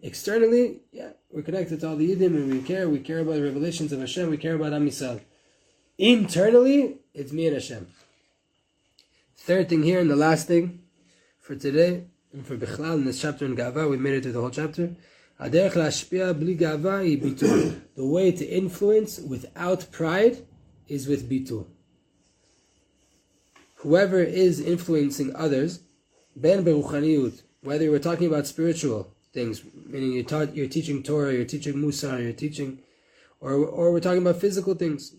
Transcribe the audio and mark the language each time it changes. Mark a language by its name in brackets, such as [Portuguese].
[English] Externally, yeah, we're connected to all the Yidim, and we care about the revelations of Hashem, we care about Am Yisrael. Internally, it's me and Hashem. Third thing here, and the last thing for today, and for Bichlal, in this chapter in Gava, we made it through the whole chapter. [Hebrew] הדרך להשפיע בלי גאווה היא ביטול. [English] The way to influence without pride is with bitul. Whoever is influencing others, [Hebrew] ben beruchaniyut, [English] whether we're talking about spiritual things, meaning you're teaching Torah, you're teaching Musa, you're teaching, or we're talking about physical things.